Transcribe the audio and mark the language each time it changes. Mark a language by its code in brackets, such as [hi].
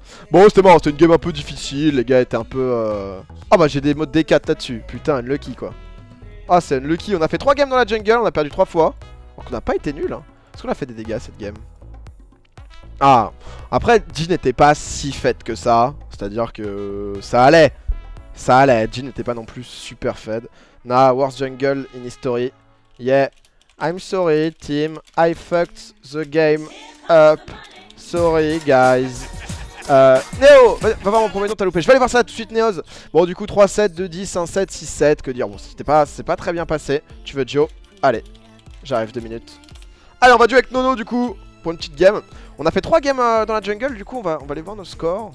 [fr] Bon, c'était marrant, c'était une game un peu difficile, les gars étaient un peu. Ah oh, bah j'ai des modes D4 là-dessus. Putain, unlucky quoi. Ah, c'est unlucky, on a fait 3 games dans la jungle, on a perdu 3 fois. Donc on a pas été nul, hein. Est-ce qu'on a fait des dégâts cette game? Ah, après, Jin n'était pas si faite que ça. C'est-à-dire que ça allait. Ça allait, Jin n'était pas non plus super fed. [en] Nah, worst jungle in history. Yeah, I'm sorry team, I fucked the game up. Sorry guys. [fr] Néo, va voir mon premier nom, t'as loupé. Je vais aller voir ça tout de suite, Néoz. Bon, du coup, 3, 7, 2, 10, 1, 7, 6, 7. Que dire? Bon, c'est pas très bien passé. Tu veux Joe? Allez, j'arrive, 2 minutes. Allez, on va jouer avec Nono, du coup, pour une petite game. On a fait 3 games dans la jungle, du coup, on va aller voir nos scores.